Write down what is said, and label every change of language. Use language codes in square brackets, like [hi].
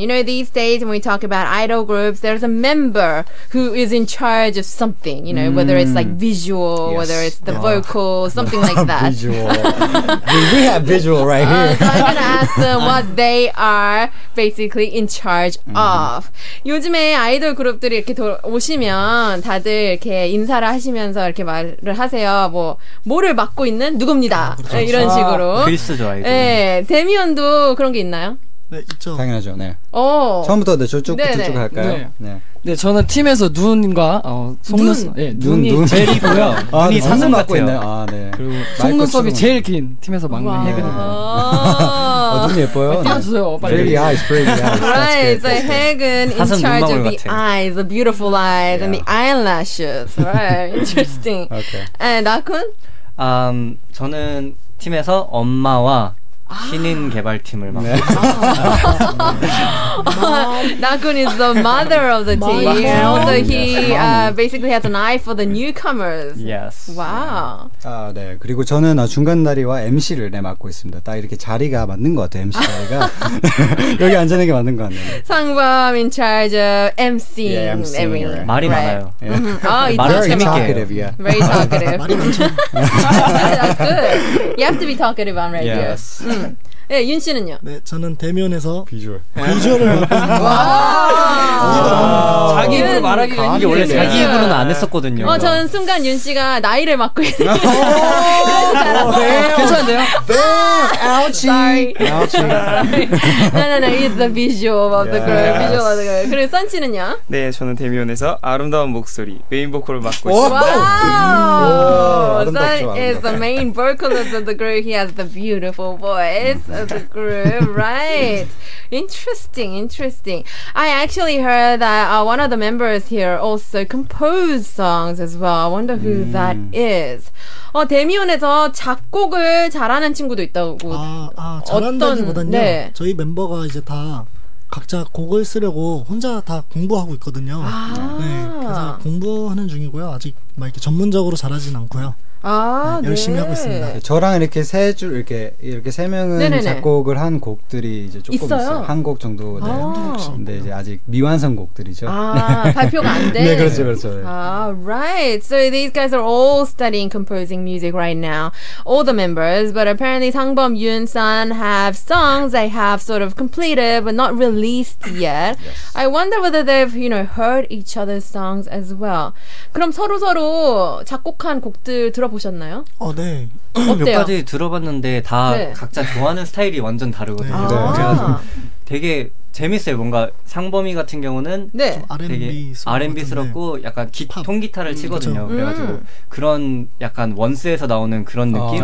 [en] You know, these days when we talk about idol groups, there's a member who is in charge of something, you know, whether it's like visual, yes. whether it's the vocal, something like that. We have visual right here. So I'm going to ask them what they are basically in charge of. [ko] 요즘에 아이돌 그룹들이 이렇게 오시면 다들 이렇게 인사를 하시면서 이렇게 말을 하세요. 뭐 뭐를 맡고 있는 누굽니다. 그렇죠. 이런 식으로. 좋아해. 네, 데미언도 그런 게 있나요? 네, 있죠. 당연하죠. 네. 오. 처음부터 네, 저쪽부터 쭉 할까요? 네. 네. 네. 네, 저는 팀에서 눈과 속눈썹. 네, 눈이 제일 이고요. 아, 눈이 산눈 맞고 있네요. 아, 네. 그리고 속눈썹이 제일 긴 팀에서 막내 해근입니다. 눈이 예뻐요. 띄워주세요. 빨리. [en] Pretty eyes, pretty eyes. Right, so Haegun in charge of the eyes, the beautiful eyes, and the eyelashes. Right, interesting. Okay. And Akun? [ko] 저는 팀에서 엄마와 신인 개발팀을 맡고 있습니다. [en] Nakun is the mother of the team. And also he basically has an eye for the newcomers. Yes. Wow. [ko] 아, 네. 그리고 저는 중간다리와 MC를 맡고 있습니다. 딱 이렇게 자리가 맞는 것 같아요. MC 자리가. 여기 앉아있는 게 맞는 것 같네요. [en] 상범 in charge of MC. Yeah, MC. [ko] 말이 많아요. 아, 말을 재밌게 해요. [en] Very talkative. That's good. You have to be talkative on radio. Yes. [ko] 네, 윤 씨는요? 네, 저는 대면에서 비주얼. 비주얼을 맡고 자기 입으로 말하기가 힘든데. 이게 원래 자기 입으로는 안 했었거든요. 저는 순간 윤 씨가 나이를 맡고 있는 괜찮은데요? 아우치! [en] 아우치! No, no, no. It's the visual of the group. [ko] 그리고 선 씨는요? 네, 저는 대면에서 아름다운 목소리, 메인 보컬을 맡고 있습니다. [en] 선 is the main vocalist of the group. He has the beautiful voice. Of the group, right? Interesting, interesting. I actually heard that one of the members here also composed songs as well. I wonder who that is. [ko] 데미온에서 작곡을 잘하는 친구도 있다고. 잘한다기보다는 네. 저희 멤버가 이제 다 각자 곡을 쓰려고 혼자 다 공부하고 있거든요. 아. 네, 그래서 공부하는 중이고요. 아직 막 이렇게 전문적으로 잘하진 않고요. 아, 네, 열심히 네. 하고 있습니다. 저랑 이렇게 세 줄 이렇게 세 명은 네네네. 작곡을 한 곡들이 이제 조금 있어요. 한 곡 정도 네. 근데 이제 아직 미완성 곡들이죠. 아, 발표가 안 돼. 네, 그렇죠, 그렇죠. [en] 아, right. So these guys are all studying composing music right now. All the members, but apparently 상범, 윤, 산 have songs they have sort of completed but not released yet. Yes. I wonder whether they've, you know, heard each other's songs as well. [ko] 그럼 서로 작곡한 곡들 들어보셨나요? 네. 몇 가지 들어봤는데 다 네. 각자 좋아하는 스타일이 완전 다르거든요. 네. 그래서 되게 재밌어요. 뭔가 상범이 같은 경우는 네. 되게 R&B스럽고 네. 약간 통기타를 치거든요. 그래가지고 그런 약간 원스에서 나오는 그런 느낌?